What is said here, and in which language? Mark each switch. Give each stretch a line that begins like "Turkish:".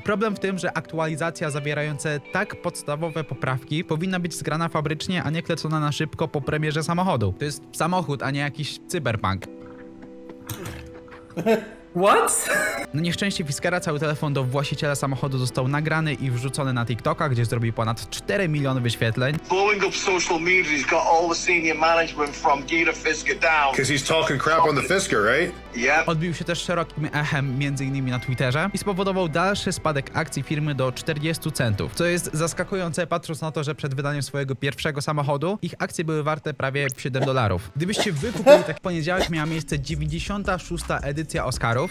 Polish: Problem w tym, że aktualizacja zawierająca tak podstawowe poprawki powinna być zgrana fabrycznie, a nie klecona na szybko po premierze samochodu. To jest samochód, a nie jakiś cyberpunk.
English: What?
Polish: Na nieszczęście Fiskera cały telefon do właściciela samochodu został nagrany i wrzucony na TikToka, gdzie zrobił ponad 4 miliony wyświetleń.
English: Blowing up social media, he's got all the senior management from Gita Fisker down. Cause he's talking crap on the Fisker, right? Yep.
Polish: Odbił się też szerokim echem, m.in. na Twitterze i spowodował dalszy spadek akcji firmy do 40 centów. Co jest zaskakujące, patrząc na to, że przed wydaniem swojego pierwszego samochodu ich akcje były warte prawie $7. Gdybyście wykupili, tak w poniedziałek miała miejsce 96. edycja Oscarów.